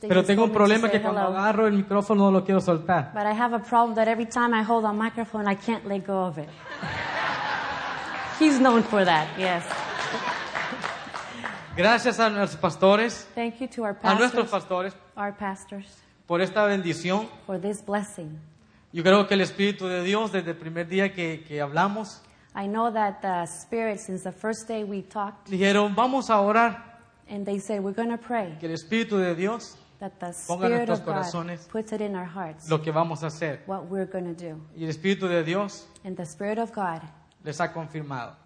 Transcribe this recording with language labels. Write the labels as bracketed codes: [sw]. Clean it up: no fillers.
[es] Pero tengo un problema que cuando agarro el micrófono no lo quiero soltar. [en] But I have a problem that every time I hold a microphone I can't let go of it. He's known for that. Yes. [es] Gracias a nuestros pastores. [en] Thank you to our pastors. [es] A nuestros pastores. [en] Our pastors. [es] Por esta bendición. [en] For this blessing. [es] Yo creo que el Espíritu de Dios desde el primer día que hablamos. [en] I know that the Spirit, since the first day we talked. [es] Dijeron, vamos a orar. [en] And they said, we're going to pray. [es] Que el Espíritu de Dios. [en] That the Spirit of God puts it in our hearts. [es] Lo que vamos a hacer. [en] What we're going to do. [es] Y el Espíritu de Dios. [en] And the Spirit of God. [es] Les ha confirmado.